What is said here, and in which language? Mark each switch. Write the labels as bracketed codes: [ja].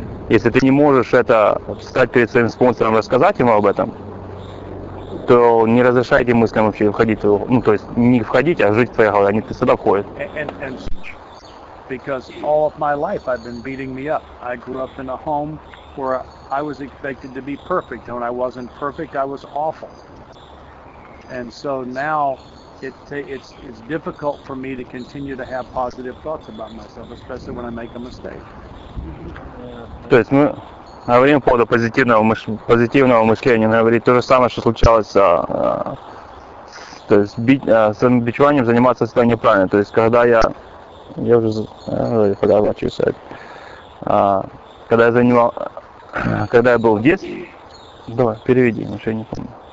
[ru] Если ты не можешь это встать перед своим спонсором и рассказать ему об этом, то не разрешай этим мыслям вообще входить в твою голову. Ну, то есть не входить, а жить в твоей голове, они всегда входят. [en] Because all of my life I've been beating me up. I grew up in a home where I was expected to be perfect. When I wasn't perfect, I was awful. And so now it's difficult for me to continue to have positive thoughts about myself, especially when I make a mistake. [ru] То есть мы говорим по поводу позитивного мышления, говорит то же самое, что случалось с самобичеванием заниматься всегда неправильно. То есть когда я уже когда учился, когда я был в детстве, давай переведи, потому что я не помню.